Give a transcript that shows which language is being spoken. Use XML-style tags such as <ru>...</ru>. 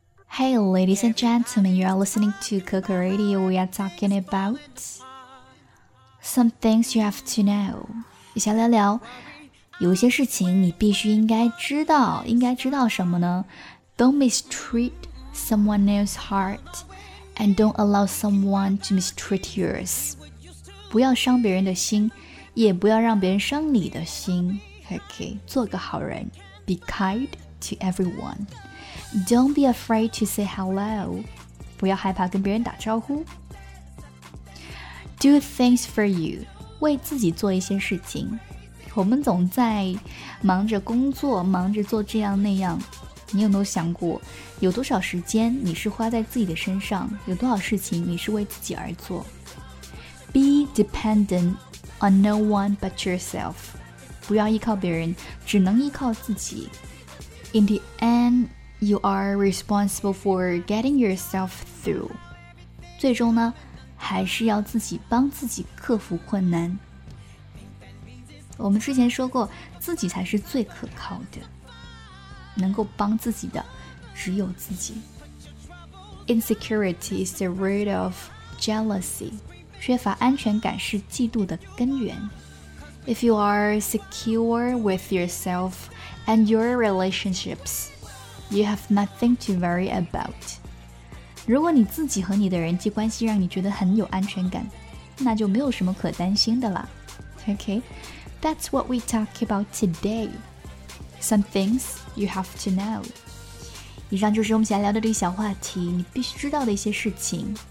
<en>Hey, ladies and gentlemen, you are listening to Coco Radio. We are talking about some things you have to know.</en> <zh>小聊聊，有些事情你必须应该知道，应该知道什么呢？</zh> <en>Don't mistreat someone else's heart, and don't allow someone to mistreat yours.</en> <zh>不要伤别人的心，也不要让别人伤你的心。</zh> <en>Okay,</en> <zh>做个好人。</zh> <en>Be kind to everyone. Don't be afraid to say hello.</en> <zh>不要害怕跟别人打招呼。</zh> <en>Do things for you.</en> <zh>为自己做一些事情。我们总在忙着工作，忙着做这样那样。你有没有想过，有多少时间你是花在自己的身上？有多少事情你是为自己而做？</zh> <en>Be dependent on no one but yourself.</en> <zh>不要依靠别人，只能依靠自己。</zh> <en>In the end,You are responsible for getting yourself through.</en> <zh>最终呢，还是要自己帮自己克服困难。我们之前说过，自己才是最可靠的，能够帮自己的只有自己。</zh> <en>Insecurity is the root of jealousy.</en> <zh>缺乏安全感是嫉妒的根源。</zh> <en>If you are secure with yourself and your relationships,You have nothing to worry about.</en> <zh>如果你自己和你的人际关系让你觉得很有安全感，那就没有什么可担心的了。</zh> <en>Okay, that's what we talk about today. Some things you have to know.</en> <zh>以上就是我们想聊的这个小话题，你必须知道的一些事情。</zh>